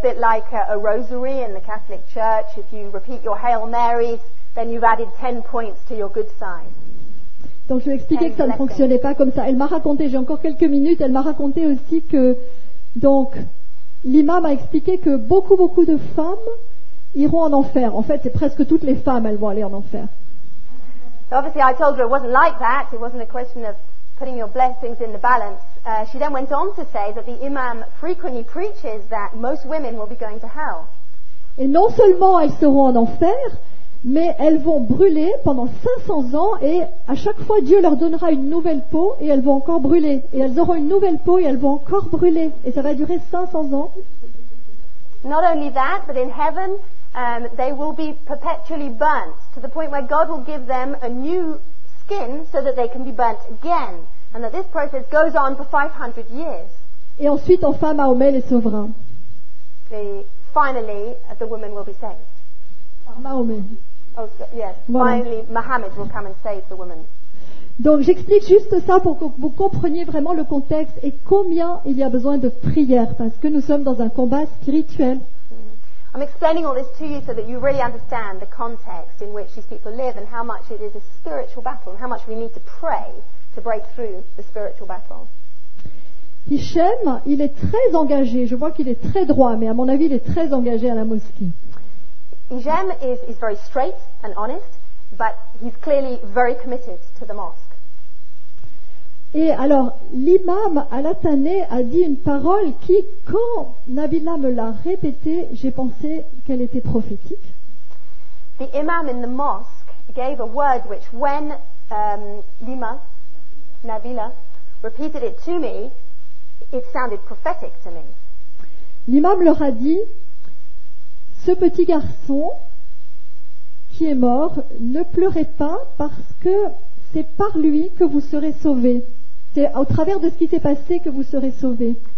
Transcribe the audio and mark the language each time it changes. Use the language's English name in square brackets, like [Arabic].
[English] bit like a rosary in the Catholic Church. If you repeat your Hail Marys, then you've added 10 points to your good side. [French] Donc je lui ai expliqué que ça ne fonctionnait pas comme ça. Elle m'a raconté, j'ai encore quelques minutes, elle m'a raconté aussi que donc l'imam a expliqué que beaucoup de femmes iront en enfer. En fait, c'est presque toutes les femmes, elles vont aller en enfer. [English] So obviously I told her it wasn't like that. It wasn't a question of putting your blessings in the balance. She then went on to say that the imam frequently preaches that most women will be going to hell. [French] Et non seulement elles seront en enfer, mais elles vont brûler pendant 500 ans et à chaque fois Dieu leur donnera une nouvelle peau et elles vont encore brûler. Et elles auront une nouvelle peau et elles vont encore brûler. Et ça va durer 500 ans. [English] Not only that, but in heaven, they will be perpetually burnt to the point where God will give them a new skin so that they can be burnt again. And that this process goes on for 500 years. [French] Et ensuite, enfin, Mahomet les sauvera. Et [English] finally, the woman will be saved. Finally, Mohammed will come and save the woman. [French] Donc, j'explique juste ça pour que vous compreniez vraiment le contexte et combien il y a besoin de prière parce que nous sommes dans un combat spirituel. [English] I'm explaining all this to you so that you really understand the context in which these people live and how much it is a spiritual battle and how much we need to pray to break through the spiritual battle. [French] Hichem, il est très engagé. Je vois qu'il est très droit, mais à mon avis, il est très engagé à la mosquée. [English] Hichem is very straight and honest, but he's clearly very committed to the mosque. [French] Et alors, l'imam Al-Attané a dit une parole qui, quand Nabila me l'a répétée, j'ai pensé qu'elle était prophétique. [English] The imam in the mosque gave a word which, when Nabila repeated it to me, it sounded prophetic to me. [French] L'imam leur a dit, ce petit garçon qui est mort, ne pleurez pas parce que c'est par lui que vous serez sauvés. C'est au travers de ce qui s'est passé que vous serez sauvés.